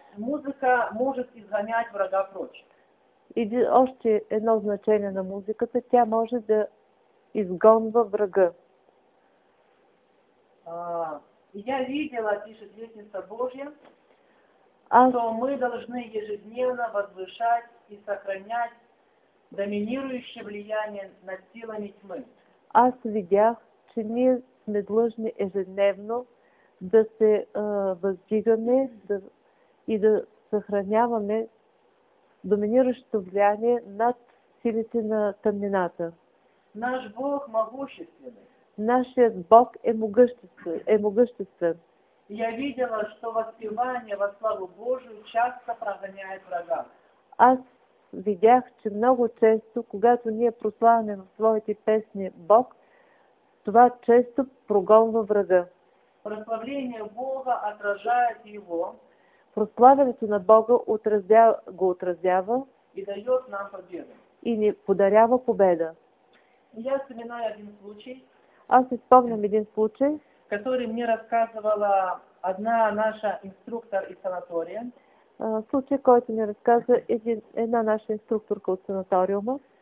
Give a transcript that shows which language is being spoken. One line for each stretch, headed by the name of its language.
Russian: Музыка может изгонять врага прочь.
Bulgarian: И още едно значение на музыката. Тя може да изгонва врага.
Russian: Я видела, пишет Вестница Божия, что мы должны ежедневно возвышать и сохранять доминирующее влияние над силами тьмы.
Bulgarian: Аз видях, че ние сме длъжни ежедневно да се въздигаме и да съхраняваме доминиращото влияние над силите на тъмнината.
Russian: Наш Бог могущественный.
Bulgarian: Нашият Бог е могъществен.
Russian: Я видела, что воспевание во славу Божию часто прогоняет врага.
Bulgarian: Аз видях, че много често, когато ние прославяме в своите песни Бог, това често прогонва врага.
Russian: Прославление Бога отражает его.
Bulgarian: Прославянето на Бога го отразява
Russian: и дает нам победу.
Bulgarian: И ни подарява победа.
Russian: Я вспоминаю один случай.
Bulgarian: Аз спомням един случай,
Russian: который мне рассказывала одна наша инструктор из санатория.
Bulgarian: Случай, който ми разказа една наша инструкторка от санаториума.